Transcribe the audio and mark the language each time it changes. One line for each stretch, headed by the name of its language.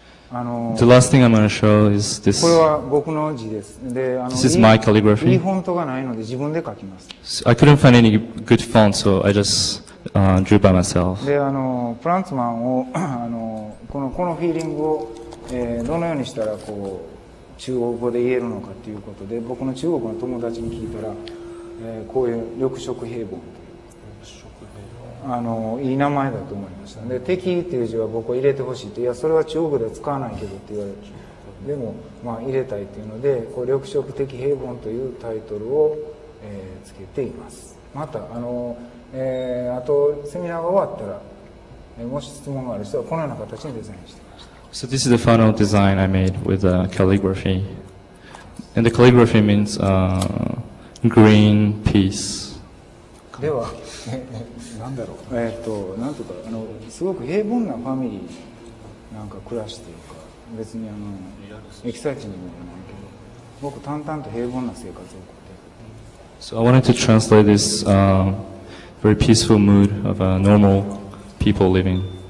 English: The last thing I'm going to show is this.
Japanese: これは僕の字です。で、
English: This is my calligraphy.
Japanese: いいフォントがないので自分で書きます。
English: So、I couldn't find any good font, so I just drew by myself.
Japanese: で、プランツマンをこのフィーリングを、どのようにしたらこう中国語で言えるのかということで、僕の中国の友達に聞いたら、こういう緑色平凡という緑色平凡いい名前だと思いました。で、敵という字は僕は入れてほしいと、いやそれは中国では使わないけどって言われて、でもまあ入れたいというので、こう緑色的平凡というタイトルを、つけています。またあとセミナーが終わったら、もし質問がある人はこのような形にデザインしていました。
English: So this is the final design I made with a calligraphy. And the calligraphy means green peace.
Japanese: では、何だろう。なんとか、すごく平凡なファミリーなんか暮らしというか、別にエキサイティングでもないけど、僕淡々と平凡な生活を送っている。
English: So I wanted to translate this very peaceful mood of a normal people living.